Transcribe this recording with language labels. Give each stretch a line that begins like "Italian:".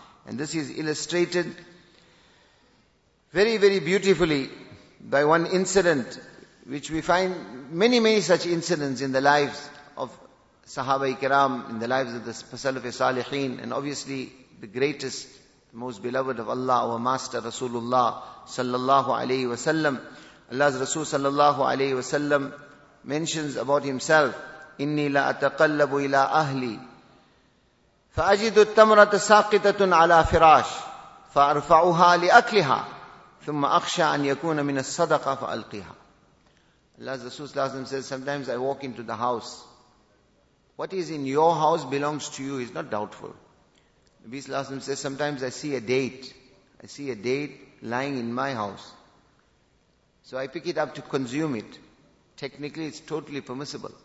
English: And this is illustrated very, very beautifully by one incident, which we find many, many such incidents in the lives of Sahaba-i-Kiram, in the lives of the Salaf-i-Salihin, and obviously the greatest, most beloved of Allah, our Master Rasulullah sallallahu alayhi wa sallam.
Arabic: Allah's Rasul sallallahu alayhi wa sallam
English: mentions about himself,
Arabic: إني لا أتقلب إلى أهلي فأجد التمرة ساقطة على فراش فأرفعها لأكلها ثم أخشى أن يكون من الصدقة فألقيها.
English: Allah's Rasul sallallahu alayhi wa sallam says, sometimes I walk into the house. What is in your house belongs to you is not doubtful. Nabi sallallahu alayhi wa sallam says, sometimes I see a date lying in my house. So I pick it up to consume it. Technically, it's totally permissible.